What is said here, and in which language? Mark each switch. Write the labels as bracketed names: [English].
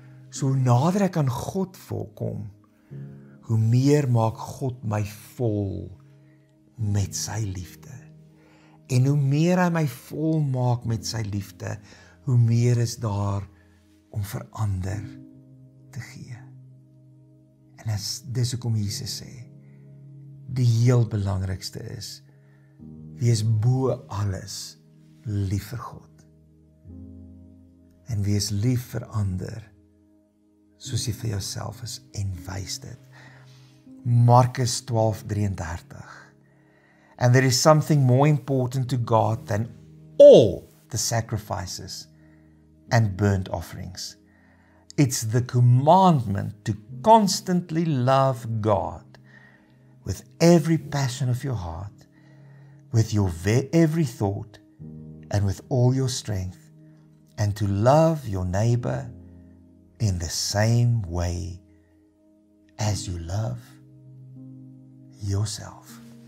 [Afrikaans] So hoe nader ek aan God volkom, hoe meer maak God my vol met sy liefde. En hoe meer hy my vol maak met sy liefde, hoe meer is daar om vir ander te gee. En dis hoekom Jesus sê, die heel belangrikste is, wees bo alles lief vir God. En wees lief vir ander, soos jy vir jouself is, en wys dit. Markus 12:33. [English] And there is something more important to God than all the sacrifices and burnt offerings. It's the commandment to constantly love God with every passion of your heart, with your every thought, and with all your strength, and to love your neighbor in the same way as you love yourself.